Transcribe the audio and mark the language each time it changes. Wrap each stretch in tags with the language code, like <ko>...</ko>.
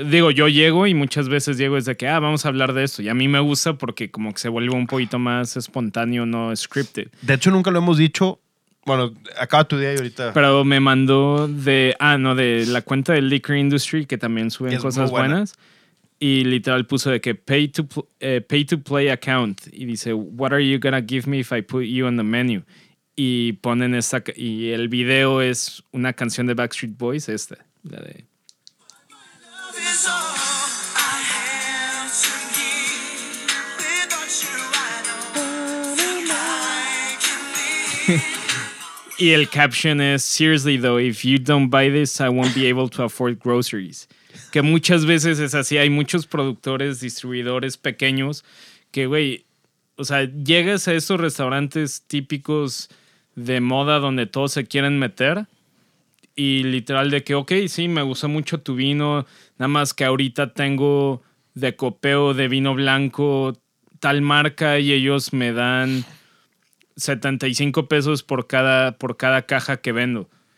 <es>Digo, yo llego y muchas veces Diego es de que, vamos a hablar de esto. Y a mí me gusta porque como que se vuelve un poquito más espontáneo, no</es> <en>scripted.</en> <es>De hecho, nunca lo hemos dicho. Bueno, acaba tu día y ahorita... Pero me mandó de... de la cuenta de Liquor Industry, que también suben cosas buenas. Y literal puso de que</es> <en>pay to play account.</en> <es>Y dice,</es> <en>what are you gonna give me if I put you on the menu?</en> <es>Y ponen esta. Y el video es una canción de Backstreet Boys, esta. La de. Y el caption es,</es> <en>seriously though, if you don't buy this, I won't be able to afford groceries.</en> <es>Que muchas veces es así. Hay muchos productores, distribuidores pequeños que, güey, o sea, llegas a esos restaurantes típicos de moda donde todos se quieren meter y literal de que, ok, sí, me gustó mucho tu vino, nada más que ahorita tengo de copeo de vino blanco tal marca y ellos me dan 75 pesos por cada caja que vendo.</es>